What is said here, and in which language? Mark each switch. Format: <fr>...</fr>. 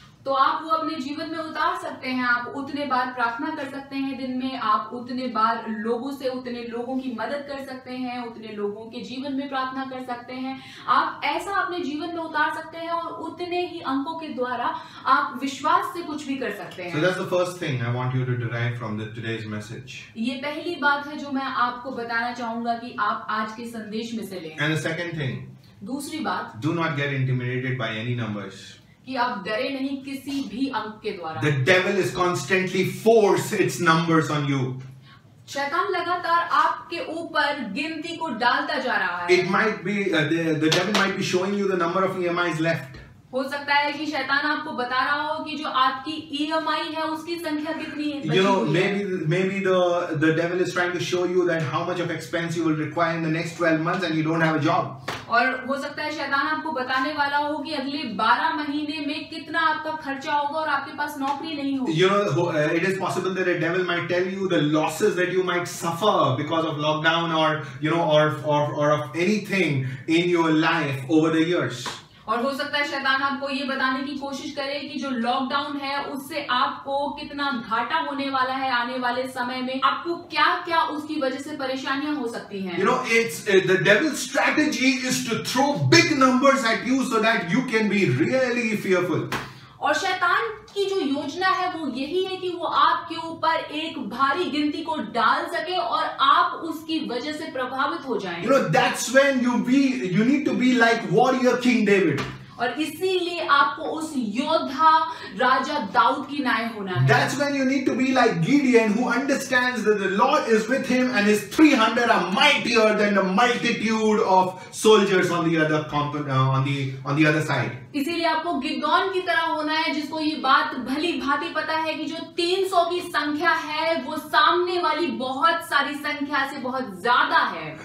<hi>तो आप वो अपने जीवन में उतार सकते हैं. आप उतने बार प्रार्थना कर सकते हैं दिन में. आप उतने बार लोगों से उतने लोगों की मदद कर सकते हैं. उतने लोगों के जीवन में प्रार्थना कर सकते हैं. आप ऐसा अपने जीवन में उतार सकते हैं और उतने ही अंकों के द्वारा आप विश्वास से कुछ भी कर सकते हैं.</hi> <en>So that's the first thing I want you to derive from the today's message.</en> <hi>ये पहली बात है जो मैं आपको बताना चाहूंगा कि आप आज के संदेश में से लें.</hi> <en>And the second thing,</en> <hi>दूसरी बात,</hi> <en>do not get intimidated by any numbers.</en> <hi>कि आप डरे नहीं किसी भी अंक के द्वारा.</hi> <en>The devil is constantly force its numbers on you.</en> <hi>शैतान लगातार आपके ऊपर गिनती को डालता जा रहा है.</hi> <en>It might be the devil might be showing you the number of EMIs left.</en> <hi>हो सकता है कि शैतान आपको बता रहा हो कि जो आपकी EMI है उसकी संख्या कितनी है.</hi> <en>You know maybe the devil is trying to show you that how much of expense you will require in the next 12 months and you don't have a job.</en> <hi>और हो सकता है शैतान आपको बताने वाला हो कि अगले 12 महीने में कितना आपका खर्चा होगा और आपके पास नौकरी नहीं होगी.</hi> <en>You know it is possible that a devil might tell you the losses that you might suffer because of lockdown or you know or of anything in your life over the years.</en> <hi>और हो सकता है शैतान आपको ये बताने की कोशिश करे कि जो लॉकडाउन है उससे आपको कितना घाटा होने वाला है आने वाले समय में. आपको क्या क्या उसकी वजह से परेशानियां हो सकती हैं.</hi> <en>You know, it's the devil's strategy is to throw big numbers at you so that you can be really fearful.</en> <hi>और शैतान की जो योजना है वो यही है कि वो आपके ऊपर एक भारी गिनती को डाल सके और आप उसकी वजह से प्रभावित हो जाएं.</hi> <en>You know, that's when you need to be like warrior King David.</en> <hi>और इसीलिए आपको उस योद्धा राजा दाऊद की नाय होना है.</hi> <en>That's when you need to be like Gideon who understands that the Lord is with him and his 300 are mightier than the multitude of soldiers on the other side.</en> <hi>इसीलिए आपको गिदोन की तरह होना है जिसको ये बात भली भांति पता है कि जो 300 की संख्या है वो सामने वाली बहुत सारी संख्या से बहुत ज्यादा है.</hi>